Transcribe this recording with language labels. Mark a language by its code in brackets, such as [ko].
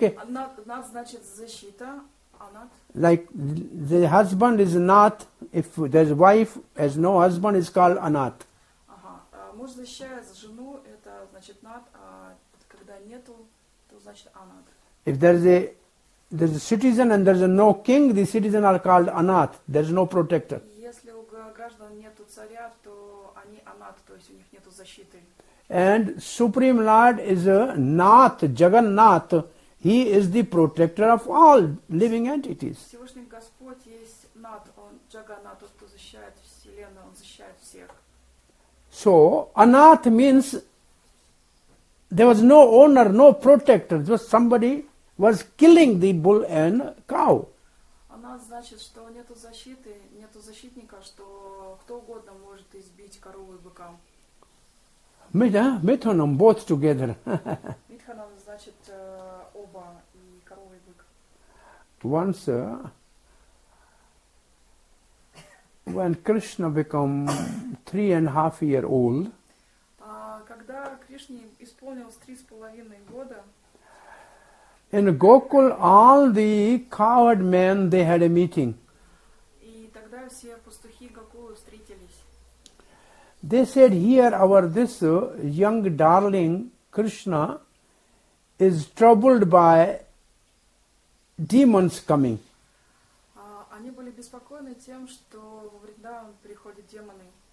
[ru] Anath значит защита. [sa] Anath. [en] Like the husband is Anath. If there's wife has no husband, is called Anath. [ru] Муж защищает жену, это значит Anath, а когда нету, то значит Anath. [en] If there's a citizen and there's a no king, the citizen are called anath. There's no protector. [ru] Если у граждан нету царя, то они анath, то есть у них нету защиты. [en] And Supreme Lord is a nath, Jagannath. He is the protector of all living entities. [ru] Всевышний Господь есть нат, он Jagannath, тот, кто защищает вселенную, он защищает всех. [en] So anath means there was no owner, no protector, just somebody was killing the bull and cow. [ru] Anath значит, что нету защиты, нету защитника, что кто угодно может избить корову и быка. [en] Mithunam, both together. [ru] Mithunam значит оба, и корова, и бык. [en] Once, when Krishna become 3.5 years old, [ru] когда Кришне исполнилось 3.5 года, [en] in Gokul, all the coward men, they had a meeting. [ru] И тогда все пастухи Гокулы встретились. [en] They said, here our this young darling Krishna is troubled by demons coming. [ru] Они были беспокоены тем, что во Вриндаван приходят демоны.